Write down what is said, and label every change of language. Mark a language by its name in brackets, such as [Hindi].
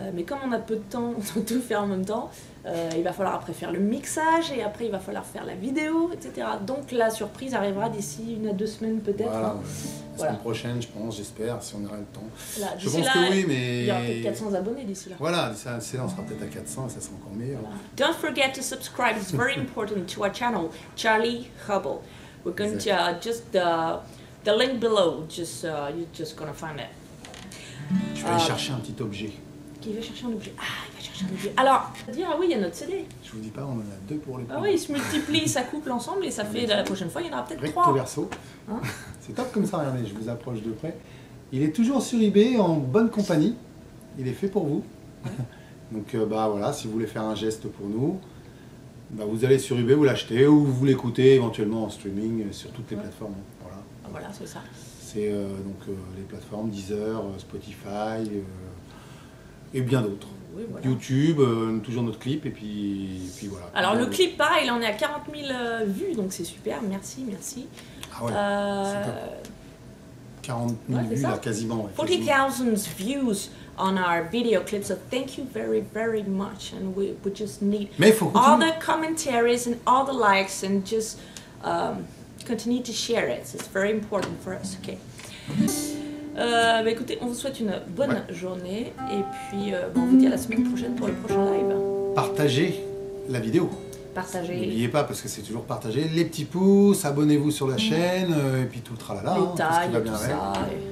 [French] Mais comme on a peu de temps, on doit tout faire en même temps. Il va falloir après faire le mixage et après il va falloir faire la vidéo, etc. Donc la surprise arrivera d'ici une à deux semaines peut-être. Voilà, ouais. La semaine prochaine, je pense, j'espère, si on aura le temps. Là, je pense là, que oui, mais... Il y aura peut-être 400 abonnés d'ici là. Voilà, d'ici là, on sera peut-être à 400 et ça sera encore meilleur. Voilà. [English] Don't forget to subscribe, it's very important to our channel, Charlie Hubble. We're going to the link below, you're just gonna find it. [French] Je vais aller chercher un petit objet. Qui va chercher un objet? Ah, il va chercher un objet. Alors, ah oui, il y a notre CD. Je vous dis pas, on en a deux pour les points. Ah oui, ils se multiplient, ça coupe l'ensemble et ça fait, la prochaine fois, il y en aura peut-être recto trois. Recto verso. Hein? C'est top comme ça, regardez, je vous approche de près. Il est toujours sur eBay, en bonne compagnie. Il est fait pour vous. Donc, voilà, si vous voulez faire un geste pour nous, bah, vous allez sur eBay, vous l'achetez ou vous l'écoutez éventuellement en streaming sur toutes les plateformes. Voilà, c'est ça. C'est les plateformes Deezer, Spotify et bien d'autres. Oui, voilà. YouTube, toujours notre clip et puis voilà. Alors le clip, pareil, on est à 40 000 vues, donc c'est super, merci. Ah ouais, c'est 40 000 vues, là, quasiment. [English] 40,000 views on our video clip, so thank you very, very much. And we just need all the commentaries and all the likes and just... continue to share it, it's very important for us, okay. [French] Écoutez, on vous souhaite une bonne journée et puis on vous dit à la semaine prochaine pour le prochain live. Partagez la vidéo. Partagez. N'oubliez pas parce que c'est toujours partagé. Les petits pouces, abonnez-vous sur la chaîne et puis tout le tralala. Les tailles, parce qu'il va bien tout avec. Ça.